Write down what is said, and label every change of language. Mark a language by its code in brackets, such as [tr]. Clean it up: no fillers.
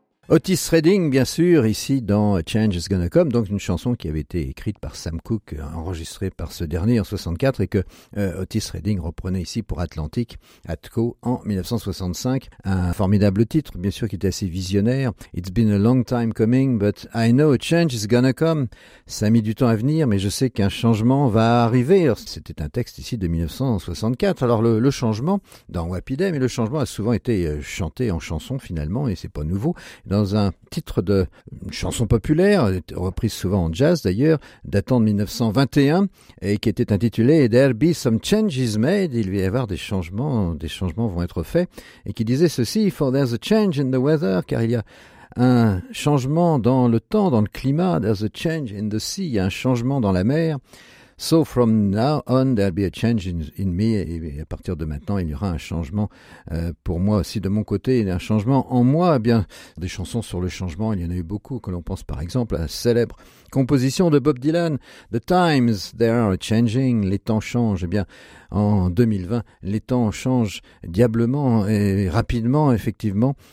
[fr] Otis Redding, bien sûr, ici dans Change is Gonna Come, donc une chanson qui avait été écrite par Sam Cooke, enregistrée par ce dernier en 64, et que Otis Redding reprenait ici pour Atlantic Atco en 1965. Un formidable titre, bien sûr, qui était assez visionnaire. [en] It's been a long time coming, but I know a change is gonna come. [fr] Ça a mis du temps à venir, mais je sais qu'un changement va arriver. C'était un texte ici de 1964. Alors le changement dans Happy Day, mais le changement a souvent été chanté en chanson finalement, et c'est pas nouveau. Dans un titre de chanson populaire, reprise souvent en jazz d'ailleurs, datant de 1921, et qui était intitulé « [en] There'll be some changes made [fr] », il va y avoir des changements vont être faits, et qui disait ceci « [en] For there's a change in the weather [fr] », car il y a un changement dans le temps, dans le climat, « [en] There's a change in the sea [fr] », il y a un changement dans la mer. [en] So from now on, there'll be a change in me. [fr] Et à partir de maintenant, il y aura un changement pour moi aussi de mon côté. Il y a un changement en moi. Eh bien, des chansons sur le changement, il y en a eu beaucoup. Que l'on pense par exemple à la célèbre composition de Bob Dylan, The Times, They Are Changing. Les temps changent. Eh bien, en 2020, les temps changent diablement et rapidement, effectivement.